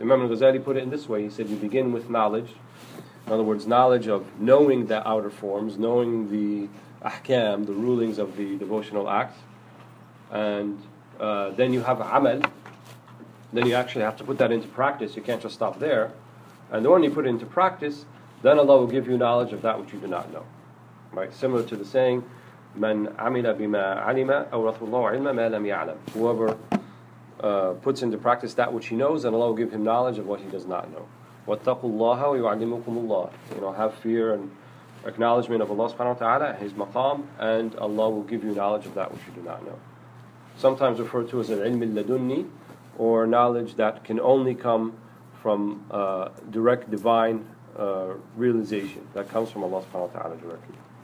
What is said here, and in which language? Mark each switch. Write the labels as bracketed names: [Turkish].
[English] Imam al-Ghazali put it in this way, he said, you begin with knowledge, in other words, knowledge of knowing the outer forms, knowing the ahkam, the rulings of the devotional acts, and then you have amal, then you actually have to put that into practice, you can't just stop there, and when you put it into practice, then Allah will give you knowledge of that which you do not know. Right? Similar to the saying, [Arabic] من عمل بما علم أورث الله علما ما لم يعلم. [English] Whoever puts into practice that which he knows, then Allah will give him knowledge of what he does not know. [Arabic] وَاتَّقُوا اللَّهَ وَيُعْلِمُكُمُ اللَّهِ. [English] You know, have fear and acknowledgement of Allah subhanahu wa ta'ala, his maqam, and Allah will give you knowledge of that which you do not know. Sometimes referred to as العلم اللدني, or knowledge that can only come from direct divine realization that comes from Allah subhanahu wa ta'ala directly.